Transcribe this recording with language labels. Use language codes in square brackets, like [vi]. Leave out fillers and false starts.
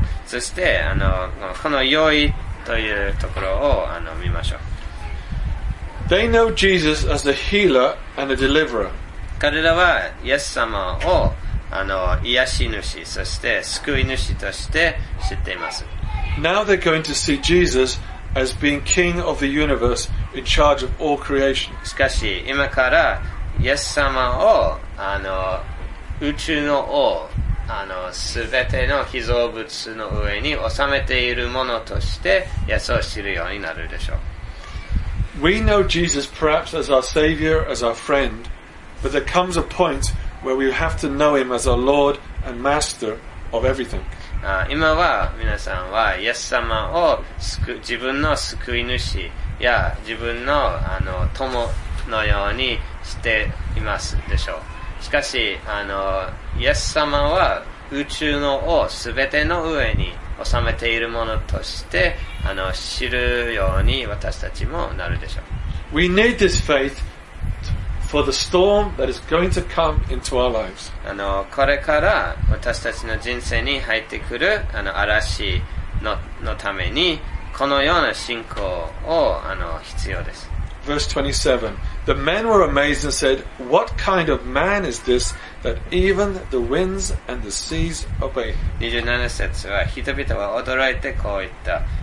[ja] そしてこの用意というところを見ましょう。 [en] They know Jesus as a healer and a deliverer. [ja] 彼らはイエス様を癒し主、そして救い主として知っています。 [en] Now they're going to see Jesus as being King of the universe in charge of all creation. [ja] しかし今からイエス様を宇宙の王、すべての被造物の上に収めているものとしてイエスを知るようになるでしょう。 [en] We know Jesus perhaps as our Savior, as our friend, but there comes a point where we have to know Him as our Lord and Master of everything. [ja] 今は皆さんはイエス様を自分の救い主や自分の友のようにしていますでしょう。しかしイエス様は宇宙の王すべての上に収めているものとして知るように私たちもなるでしょう。 [en] We need this faith for the storm that is going to come into our lives. [ja] これから私たちの人生に入ってくる嵐 のためにこのような信仰を必要です。 [en] Verse 27. The men were amazed and said, "What kind of man is this that even the winds and the seas obey?" [ja] 27節は人々は驚いてこう言った。